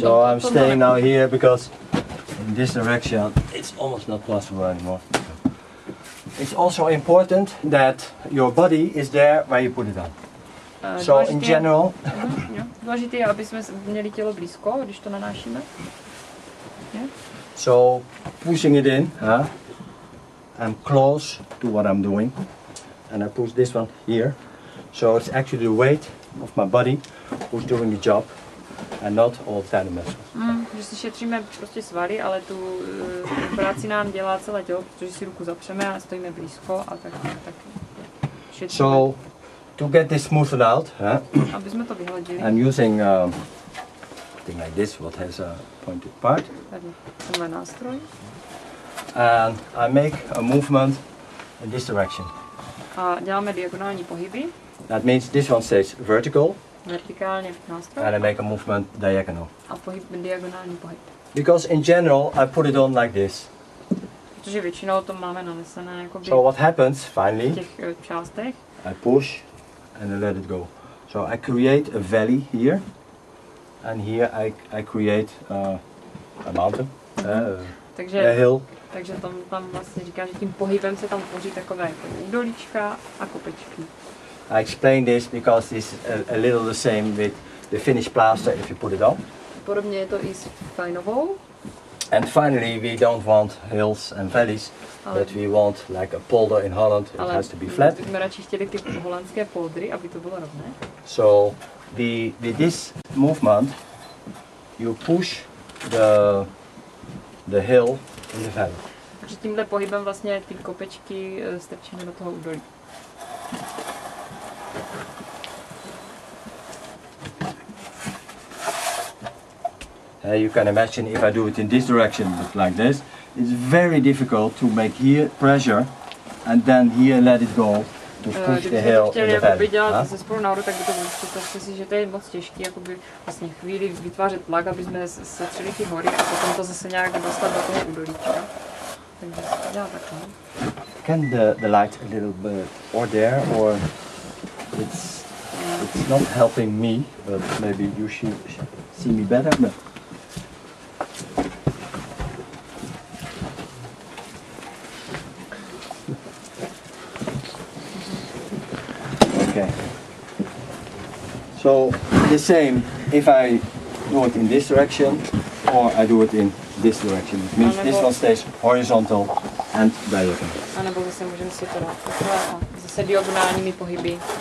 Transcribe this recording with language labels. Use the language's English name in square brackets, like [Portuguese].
[English] so I'm staying now here because in this direction it's almost not possible anymore. It's also important that your body is there where you put it on. So in general, [Czech] důležité je, aby jsme měli tělo blízko, když to nanášíme. [English] So pushing it in, I'm close to what I'm doing, and I push this one here. So it's actually the weight of my body who's doing the job. And not all the time. [Czech] Že si šetříme prostě svaly, ale tu práci nám dělá celé tělo, protože si ruku zapřeme a stojíme blízko a tak šetříme. [English] So to get this smoothed out, [Czech] aby jsme to vyhladili. [English] I'm using thing like this, what has a pointed part. [Czech] Tenhle nástroj. [English] And I make a movement in this direction. [Czech] A děláme diagonální pohyby. [English] That means this one stays vertical. [Czech] Vertikálně nástroj. [English] And I make a movement diagonal. [Czech] A pohyb, diagonální pohyb. [English] Because in general I put it on like this. [Czech] Protože většinou to máme nanesené jako [English] by. So what happens finally? [Czech] V těch částech. [English] I push and I let it go. So I create a valley here. And here I create a mountain. [Czech] Takže [English] a hill. [Czech] Takže tam vlastně říká, že tím pohybem se tam tvoří takové jako údolíčka a kopečky. [English] I explain this because this is a little the same with the finished plaster if you put it on. [Czech] Podobně je to i s fajnovou. [English] And finally we don't want hills and valleys, but we want like a polder in Holland, it has to be flat. [Czech] Ale bychom radši chtěli ty holandské poldry, aby to bylo rovné. [English] So with this movement you push the hill in the valley. [Czech] Takže tímhle pohybem vlastně ty kopečky strčíme do toho údolí. [English] You can imagine if I do it in this direction, but like this, it's very difficult to make here pressure and then here let it go to push the hill in the valley. [Czech] Kdybych chtěl dělat se spolu nahoru, tak by to bylo, představte si, že to je moc těžký, jakoby vlastně chvíli vytvářet tlak, aby jsme setřeli ty hory a potom to zase nějak dostat do toho údolíčka. Takže se dělá takhle. [English] Can the light a little bit, or there, or it's not helping me, but maybe you should see me better. No. So the same if I do it in this direction or I do it in this direction. It means this one stays horizontal and diagonal. [Czech] A nebo zase můžeme si to dát takhle a zase diagonálními pohyby.